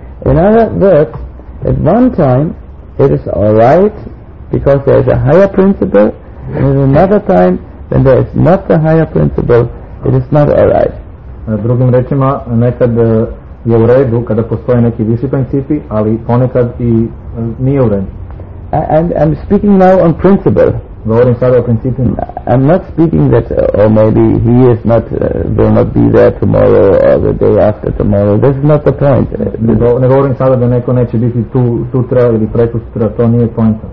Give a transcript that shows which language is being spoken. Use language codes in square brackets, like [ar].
[en] In other words, at one time it is all right because there is a higher principle, and at another time when there is not the higher principle, it is not all right. [sr] Drugim rečima, nekad je u redu kada postoje neki viši principi, ali ponekad i nije u redu. [en] I'm speaking now on principle. [sr] Govorim sada o principu. [en] I'm not speaking that maybe he is not will not be there tomorrow or the day after tomorrow. This is not the point. [sr] Ne govorim sada da neko neće biti tu sutra ili prekosutra. To nije point.